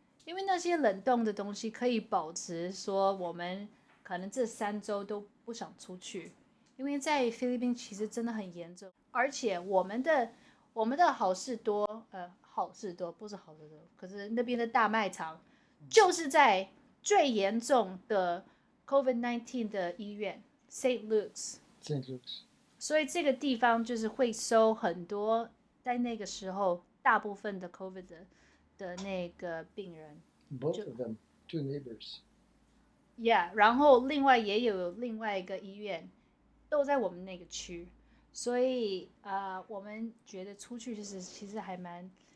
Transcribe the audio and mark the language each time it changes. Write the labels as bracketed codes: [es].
[zh] 因为那些冷冻的东西可以保持说我们可能这三周都不想出去，因为在菲律宾其实真的很严重，而且我们的好事多，好事多不是好事多，可是那边的大卖场就是在最严重的 COVID-19 的医院 St. Luke's。所以这个地方就是会收很多在那个时候大部分的 COVID 的那个病人。 [en] Both of them, two neighbors. [zh] Yeah, 然后另外也有另外一个医院都在我们那个区，所以我们觉得出去就是其实还蛮